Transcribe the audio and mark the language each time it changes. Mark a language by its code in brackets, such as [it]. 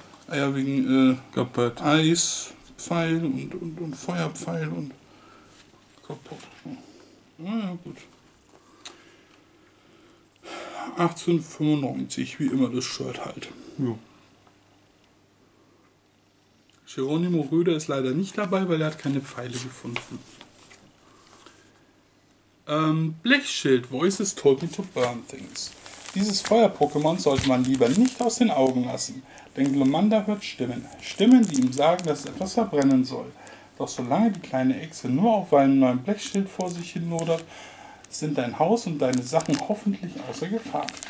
[de] Ja, wegen Eispfeil und Feuerpfeil und kaputt. Ja, gut. 18,95, wie immer das Shirt halt. Ja. Geronimo Röder ist leider nicht dabei, weil er hat keine Pfeile gefunden. [en] Blechschild, Voices told me to burn things. [de] Dieses Feuer-Pokémon sollte man lieber nicht aus den Augen lassen, denn Glumanda hört Stimmen. Stimmen, die ihm sagen, dass etwas verbrennen soll. Doch solange die kleine Echse nur auf einem neuen Blechschild vor sich hin lodert, sind dein Haus und deine Sachen hoffentlich außer Gefahr.